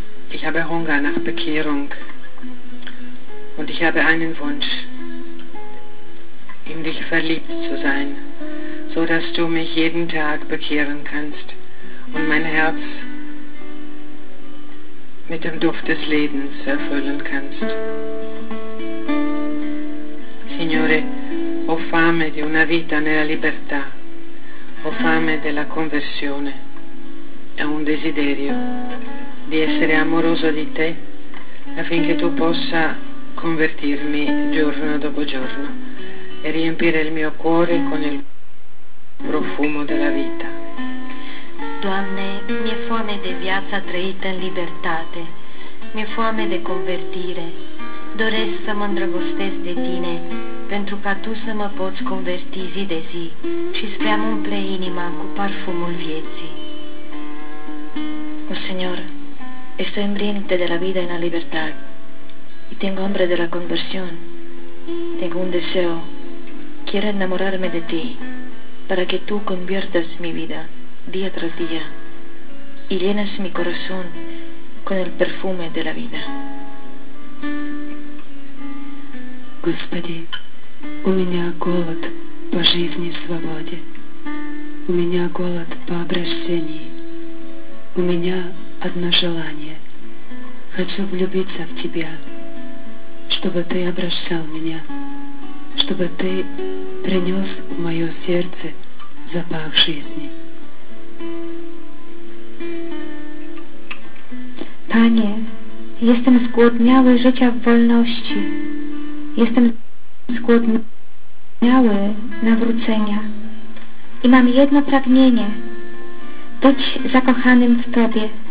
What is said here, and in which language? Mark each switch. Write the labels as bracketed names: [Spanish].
[German] Ich habe Hunger nach Bekehrung. Und ich habe einen Wunsch, in dich verliebt zu sein, so dass du mich jeden Tag bekehren kannst und mein Herz mit dem Duft des Lebens erfüllen kannst. [Italian] Signore, ho fame di una vita nella libertà, ho fame della conversione, è un desiderio di essere amoroso di te affinché tu possa convertirmi giorno dopo giorno e riempire il mio cuore con il profumo della vita. [Romanian] Doamne, mi-e foame de viața trăită în libertate, mi-e foame de convertire, doresc să mă îndrăgostesc de tine, pentru ca tu să mă poți converti zi de zi și spre a-mi umple inima cu parfumul vieții. [Spanish] O, Señor, estoy hambriente de la vida y la libertad. Y tengo hambre de la conversión. Tengo un deseo. Quiero enamorarme de ti, para que tú conviertas mi vida día tras día y llenes mi corazón con el perfume de la vida. [Russian] Господи, у меня голод по жизни в свободе. У меня голод по обращении. У меня одно желание. Хочу влюбиться в тебя, чтобы ты обращал меня, чтобы ты принес в мое сердце запах жизни. [Polish] Panie, jestem zgłodniały życia w wolności. Jestem zgłodniały nawrócenia. I mam jedno pragnienie. Być zakochanym w Tobie.